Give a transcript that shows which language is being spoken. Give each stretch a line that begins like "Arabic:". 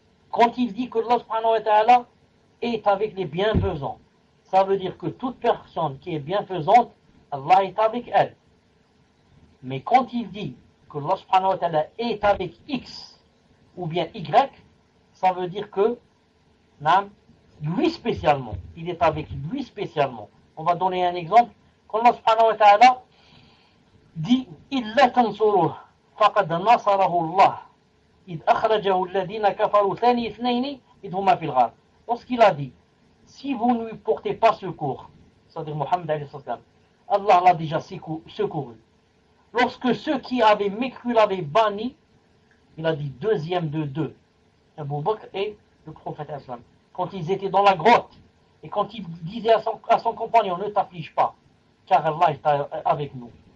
French: Quand il dit que Allah subhanahu wa ta'ala est avec les bienfaisants, ça veut dire que toute personne qui est bienfaisante, Allah est avec elle. Mais quand il dit que Allah subhanahu wa ta'ala est avec X ou bien Y, ça veut dire que non, lui spécialement, il est avec lui spécialement. On va donner un exemple. Quand Allah subhanahu wa ta'ala dit
Arabic: إِلَّا تَنْصُرُهُ فَقَدْ نَصَرَهُ اللَّهُ إِذْ أَخْرَجَهُ الَّذِينَ كَفَرُوا ثَانِي اثْنَيْنِ إِذْ هُمَا فِي الْغَارِ.
French: Lorsqu'il a dit, si vous ne lui portez pas secours, c'est-à-dire Muhammad alayhi sallam, Allah l'a déjà secouru. Lorsque ceux qui avaient mécru l'avaient banni, il a dit deuxième de deux, Abu Bakr et le prophète Aslam, quand ils étaient dans la grotte, et quand il disait à son compagnon, ne t'afflige pas, car Allah est avec nous.